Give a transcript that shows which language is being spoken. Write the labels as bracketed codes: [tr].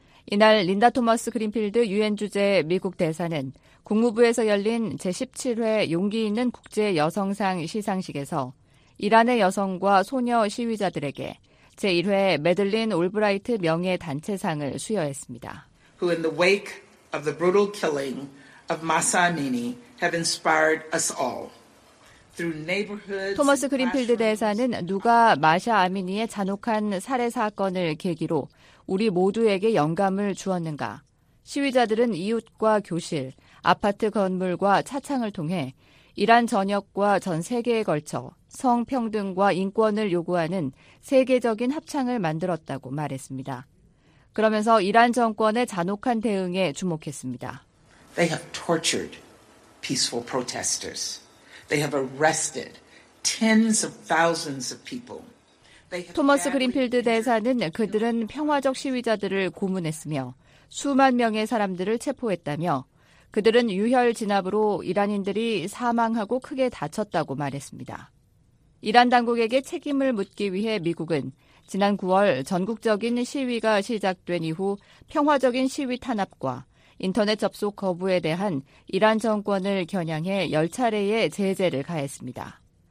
[ko] 이날 린다 토머스 그린필드 유엔 주재 미국 대사는 국무부에서 열린 제17회 용기 있는 국제 여성상 시상식에서 이란의 여성과 소녀 시위자들에게 제1회 매들린 올브라이트 명예 단체상을 수여했습니다. [en] Who in the wake of the brutal killing of Mahsa Amini have inspired us all. [ko] 토머스 그린필드 대사는 누가 마샤 아미니의 잔혹한 살해 사건을 계기로 우리 모두에게 영감을 주었는가. 시위자들은 이웃과 교실, 아파트 건물과 차창을 통해 이란 전역과 전 세계에 걸쳐 성평등과 인권을 요구하는 세계적인 합창을 만들었다고 말했습니다. 그러면서 이란 정권의 잔혹한 대응에 주목했습니다. [en] They have tortured peaceful protesters. They have arrested tens of thousands of people. [ko] 토머스 그린필드 대사는 그들은 평화적 시위자들을 고문했으며 수만 명의 사람들을 체포했다며 그들은 유혈 진압으로 이란인들이 사망하고 크게 다쳤다고 말했습니다. 이란 당국에게 책임을 묻기 위해 미국은 지난 9월 전국적인 시위가 시작된 이후 평화적인 시위 탄압과 인터넷 접속 거부에 대한 이란 정권을 겨냥해 10차례의 제재를 가했습니다.